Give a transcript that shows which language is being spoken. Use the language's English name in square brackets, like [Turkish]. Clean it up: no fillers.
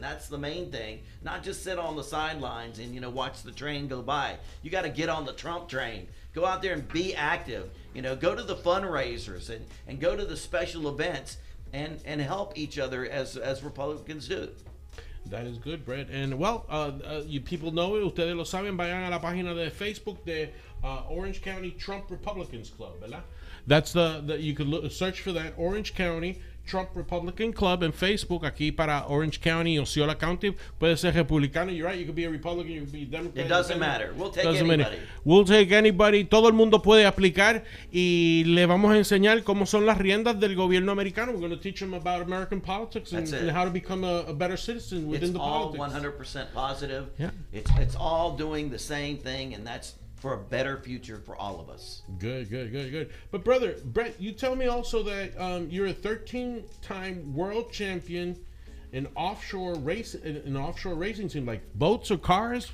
[English] That's the main thing. Not just sit on the sidelines and, you know, watch the train go by. You got to get on the Trump train. Go out there and be active. You know, go to the fundraisers and go to the special events and help each other as Republicans do. That is good, Brett. And, well, you people know it. [Spanish] Ustedes lo saben. Vayan a la página de Facebook de Orange County Trump Republicans Club, ¿verdad? [English] That's the you can look, search for that, Orange County Trump Republican Club in Facebook. [Spanish] Aquí para Orange County, Osceola County. Puede ser republicano. [English] You're right. You could be a Republican. You could be a Democrat. It doesn't matter. We'll take doesn't anybody. Matter. We'll take anybody. [Spanish] Todo el mundo puede aplicar. Y le vamos a enseñar cómo son las riendas del gobierno americano. [English] We're going to teach them about American politics and how to become a better citizen within it's the politics. It's all 100% positive. Yeah. It's all doing the same thing, and that's for a better future for all of us. Good, good, good, good. But brother, Brett, you tell me also that you're a 13-time world champion in offshore race, in offshore racing team, like boats or cars?